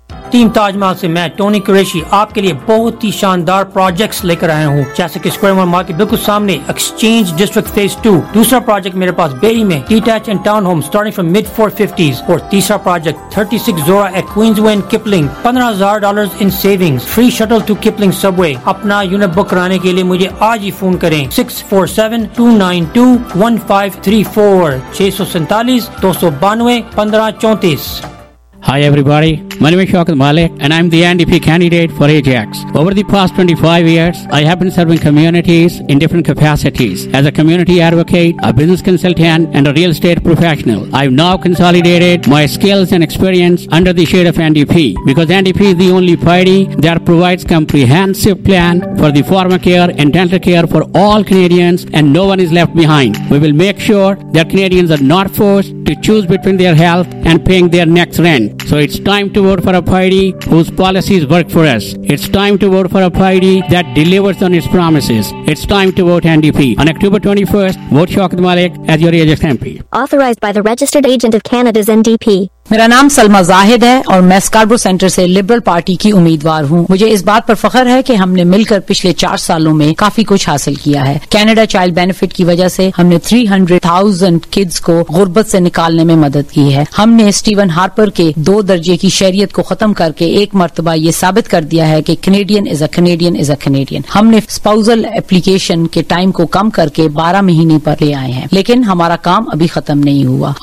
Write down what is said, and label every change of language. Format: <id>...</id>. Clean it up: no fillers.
<ur>Team Taj Mahal سے میں Tony Qureshi آپ کے لیے بہت ہی شاندار پروجیکٹس لے کر آیا ہوں جیسے کہ اسکوائر مول مارکیٹ بالکل سامنے ایکسچینج ڈسٹرکٹ فیز 2 دوسرا پروجیکٹ میرے پاس بیری میں detach and town home</ur> <en>starting from mid 450s</en> <ur>اور تیسرا project 36 زورا at Queens way coupling $15,000 in savings free shuttle to coupling سب وے اپنا یونٹ بک کرانے کے لیے مجھے آج ہی فون کریں 647-292-1534 647-292-1534</ur> <en>Hi everybody, my name is Shaukat Malik and I'm the NDP candidate for Ajax. Over the past 25 years, I have been serving communities in different capacities as a community advocate, a business consultant and a real estate professional. I've now consolidated my skills and experience under the shade of NDP because NDP is the only party that provides comprehensive plan for the pharma care and dental care for all Canadians and no one is left behind. We will make sure that Canadians are not forced to choose between their health and paying their next rent. So it's time to vote for a party whose policies work for us. It's time to vote for a party that delivers on its promises. It's time to vote NDP. On October 21st, vote Shaukat Malik as your Ajax MP. Authorized by the Registered Agent of Canada's NDP.</en> <ur>میرا نام سلمہ زاہد ہے اور میں سکاربرو centre سے liberal party کی امیدوار ہوں مجھے اس بات پر فخر ہے کہ ہم نے مل کر پچھلے 4 سالوں میں کافی کچھ حاصل کیا ہے کینیڈا چائلڈ بینیفٹ کی وجہ سے ہم نے 300,000 کڈز کو غربت سے نکالنے میں مدد کی ہے ہم نے سٹیون ہارپر کے 2 درجے کی شہریت کو ختم کر کے ایک مرتبہ یہ ثابت کر دیا ہے کہ</ur> <en>Canadian is a Canadian</en> <ur>is a Canadian ہم نے اسپاؤزل اپلیکیشن کے ٹائم کو کم کر کے 12 مہینے پر لے آئے ہیں لیکن ہمارا کام ابھی ختم نہیں ہوا</ur>